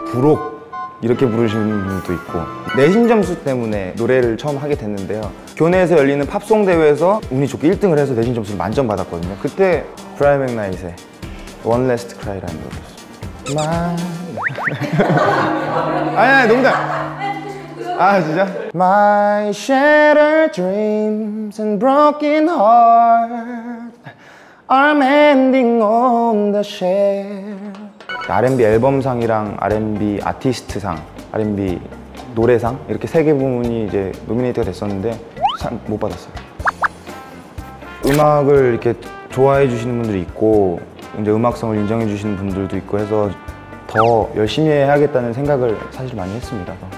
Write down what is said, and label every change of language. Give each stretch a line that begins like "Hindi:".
Korean: 부록 이렇게 부르시는 분들도 있고. 내신 점수 때문에 노래를 처음 하게 됐는데요. 교내에서 열리는 팝송 대회에서 운이 좋게 1등을 해서 내신 점수를 만점 받았거든요. 그때 브라이 맥나잇의 One Last Cry라는 노래. 아니 아니 농담. 아 진짜?
English: My shattered dreams and broken heart are mending on the shelf.
Korean: R&B 앨범상이랑 R&B 아티스트상, R&B 노래상 이렇게 세 개 부문이 이제 노미네이트가 됐었는데 상 못 받았어요. 음악을 이렇게 좋아해 주시는 분들이 있고 이제 음악성을 인정해 주시는 분들도 있고 해서 더 열심히 해야겠다는 생각을 사실 많이 했습니다.